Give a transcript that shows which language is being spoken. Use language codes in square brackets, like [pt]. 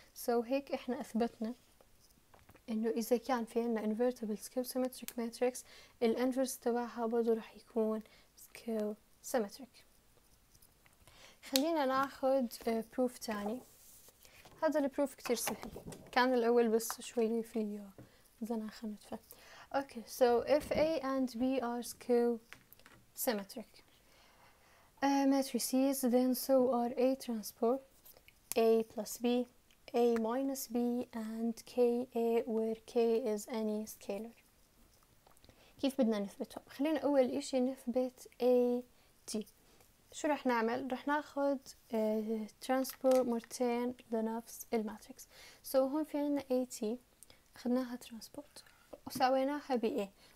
[ar] so هيك احنا اثبتنا انه اذا كان في عنا [en] invertible skew symmetric matrix [ar] ال inverse تبعها برضو رح يكون [en] skew symmetric. [ar] خلينا ناخد proof تاني. هذا البروف كتير سهل، كان الأول بس شوي فيه زناخة نتفة. [en] Okay, so if A and B are co-symmetric matrices, then so are A transpose, A plus B, A minus B, and KA, where K is any scalar. [ar] كيف بدنا نثبتهم؟ خلينا أول إشي نثبت AT. شو رح نعمل؟ رح ناخد transpose مرتين لنفس الماتريكس. So هون في عنا AT، أخذناها transpose وساويناها ب A.